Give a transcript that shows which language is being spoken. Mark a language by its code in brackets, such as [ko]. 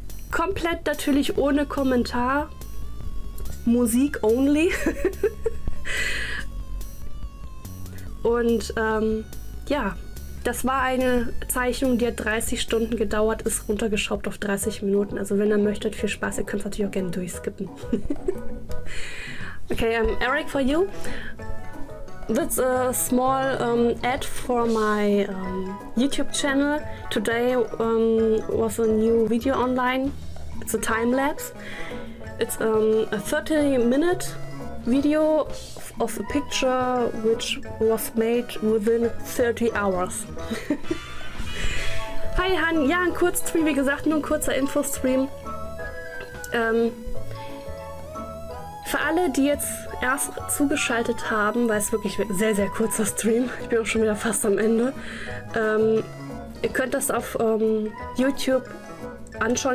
[de] Komplett natürlich ohne Kommentar. Musik only. Und ja, das war eine Zeichnung, die hat 30 Stunden gedauert, ist runtergeschraubt auf 30 Minuten. Also wenn ihr möchtet, viel Spaß, ihr könnt es natürlich auch gerne durchskippen. [en] Okay, Eric, for you. That's a small ad for my YouTube channel. Today was a new video online. It's a time lapse. It's a 30-minute video of a picture which was made within 30 hours. Hi, Han. [de] Ja, ein Kurzstream, wie gesagt, nur ein kurzer Infostream. Für alle, die jetzt erst zugeschaltet haben, weil es wirklich ein sehr, sehr kurzer Stream, ich bin auch schon wieder fast am Ende, ihr könnt das auf YouTube anschauen.